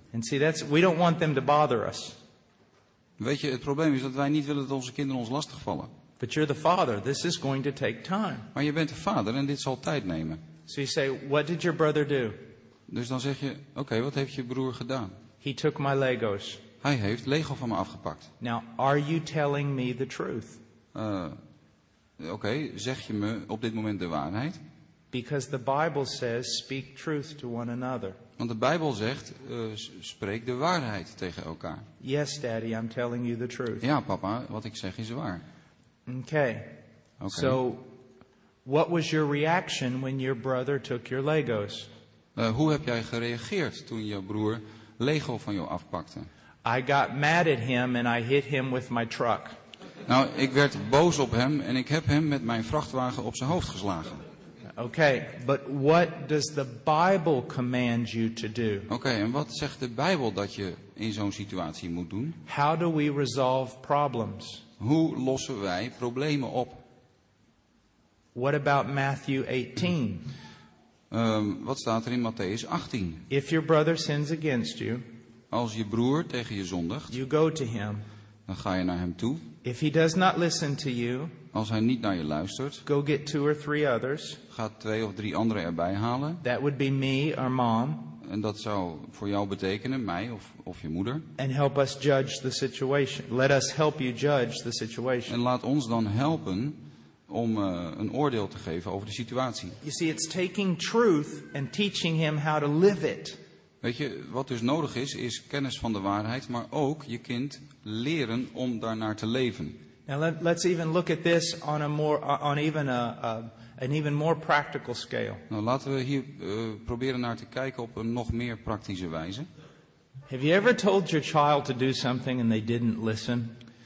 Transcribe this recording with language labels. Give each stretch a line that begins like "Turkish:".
English: And see, that's, we don't want them to bother us.
Dutch: Weet je, het probleem is dat wij niet willen dat onze kinderen ons lastigvallen.
English: But you're the father. This is going to take time.
Dutch: Maar je bent de vader en dit zal tijd nemen.
English: So you say, what did your brother do?
Dutch: Dus dan zeg je, oké, wat heeft je broer gedaan?
English: He took my Legos.
Dutch: Hij heeft Lego van me afgepakt.
English: Now, are you telling me the truth?
Dutch: Oké, zeg je me op dit moment de waarheid?
English: Because the Bible says, speak truth to one another.
Dutch: Want de Bijbel zegt, spreek de waarheid tegen elkaar.
English: Yes, Daddy, I'm telling you the truth.
Dutch: Ja, papa, wat ik zeg is waar.
English: Okay.
Dutch: Okay.
English: So, what was your reaction when your brother took your Legos?
Dutch: Hoe heb jij gereageerd toen je broer Lego van jou afpakte?
English: I got mad at him and I hit him with my truck.
Dutch: Nou, ik werd boos op hem en ik heb hem met mijn vrachtwagen op zijn hoofd geslagen.
English: Okay, but what does the Bible command you to do?
Dutch: Okay, en wat zegt de Bijbel dat je in zo'n situatie moet doen?
English: How do we resolve problems?
Dutch: Hoe lossen wij problemen op?
English: What about Matthew 18?
Dutch: Wat staat er in Matthäus 18?
English: If your brother sins against you,
Dutch: als je broer tegen je zondigt,
English: you go to him.
Dutch: Dan ga je naar hem toe.
English: If he does not listen to you,
Dutch: als hij niet naar je luistert,
English: go get two or three others.
Dutch: Ga twee of drie anderen erbij halen.
English: That would be me or mom.
Dutch: En dat zou voor jou betekenen, mij of je moeder.
English: And help us judge the situation. Let us help you judge the situation.
Dutch: En laat ons dan helpen om een oordeel te geven over de situatie.
English: You see, it's taking truth and teaching him how to live it.
Dutch: Weet je, wat dus nodig is, is kennis van de waarheid, maar ook je kind leren om daarnaar te leven.
English: Now let's even look at this on a more on even a, a an even more practical scale.
Dutch: Nou, laten we hier proberen naar te kijken op een nog meer praktische wijze.
English: Have you ever told your child to do something and they didn't listen?